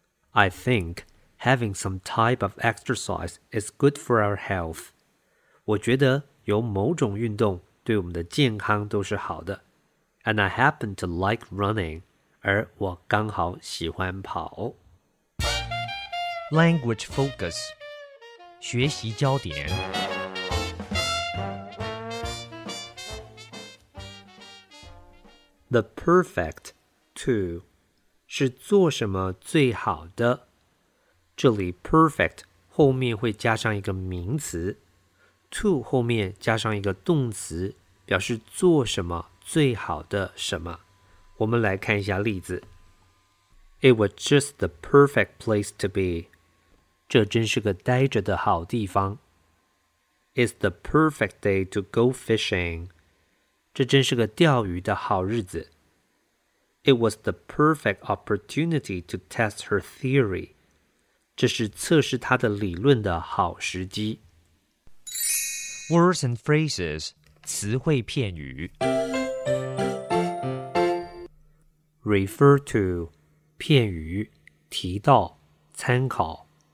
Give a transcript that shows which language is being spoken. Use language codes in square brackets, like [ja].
[en] I think having some type of exercise is good for our health. [zh] 我觉得有某种运动对我们的健康都是好的。 [en] And I happen to like running, [zh] 而我刚好喜欢跑。 Language focus, 学习焦点。 The perfect to 是做什么最好的。这里 perfect 后面会加上一个名词 to 后面加上一个动词，表示做什么最好的什么。我们来看一下例子。 [en] It was just the perfect place to be. [zh] 这真是个待着的好地方。 [en] It's the perfect day to go fishing. [zh] 这真是个钓鱼的好日子。 [en] It was the perfect opportunity to test her theory. [zh] 这是测试他的理论的好时机。 Words and phrases, 词汇片语。 Refer to, 片语，提到，参考。